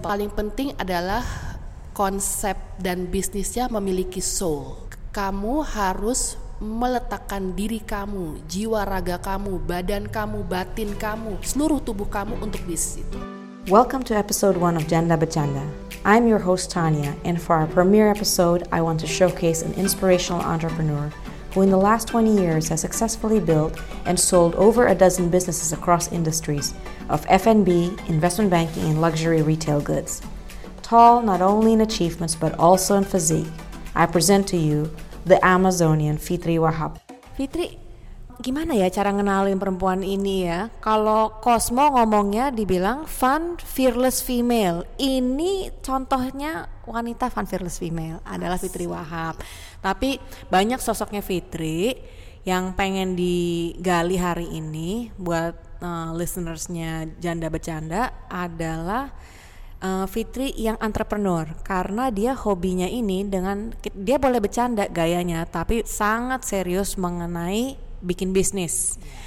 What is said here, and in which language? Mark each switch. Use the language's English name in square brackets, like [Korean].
[Indonesian] Paling penting adalah konsep dan bisnisnya memiliki soul. Kamu harus meletakkan diri kamu, jiwa raga kamu, badan kamu, batin kamu, seluruh tubuh kamu untuk bisnis itu. [English] Welcome to episode 1 of Janda Bercanda. I'm your host Tanya, and for our premiere episode, I want to showcase an inspirational entrepreneur who in the last 20 years has successfully built and sold over a dozen businesses across industries of F&B, investment banking, and luxury retail goods. Tall not only in achievements but also in physique, I present to you the Amazonian Fitri Wahab. [Indonesian] Fitri, gimana ya cara ngenalin perempuan ini ya? Kalau Cosmo ngomongnya dibilang [English] fun, fearless female. [Indonesian] Ini contohnya wanita [English] fun, fearless female [Indonesian] adalah Fitri Wahab. Tapi banyak sosoknya Fitri yang pengen digali hari ini buat listenersnya Janda Bercanda adalah Fitri yang entrepreneur, karena dia hobinya ini dengan, dia boleh bercanda gayanya, tapi sangat serius mengenai bikin bisnis.